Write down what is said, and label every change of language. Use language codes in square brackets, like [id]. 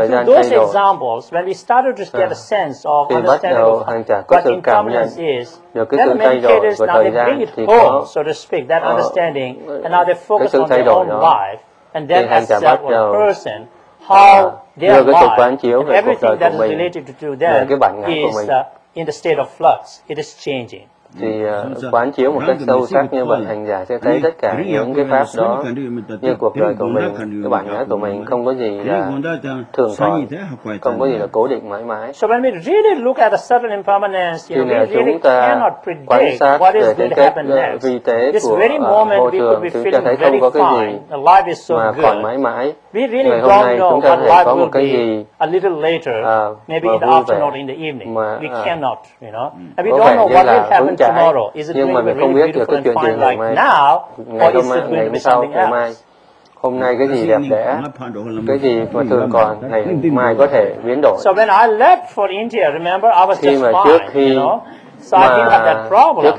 [en] and through those examples, when we started to get a sense of understanding what impermanence is, then the meditators now they bring it home, so to speak, that understanding, and now they focus on their own life, and then as a person, how their life and everything that is related to them is in the state of flux, it is changing. [vi] Thì quán chiếu một cách sâu sắc như vậy, hành giả sẽ thấy tất cả những cái pháp đó như cuộc đời của mình, cái bản ngã của mình không có gì là thường thoại, không có gì là cố định mãi mãi. [en] So when we really look at a certain impermanence, you know, we really cannot predict what is going to happen next. This very moment we could be feeling very fine, the life is so good. We really don't know what life will be a little later, maybe in the afternoon or in the evening. We cannot, And we don't know what will happen. [vi] Nhưng mà mình không biết được cái chuyện gì ngày mai, ngày hôm nay, ngày hôm sau, ngày mai. Hôm nay cái gì đẹp đẽ, cái gì mà thường còn, ngày mai có thể biến đổi. [en] So when I left for India, remember, I was just fine, So I didn't have that problem.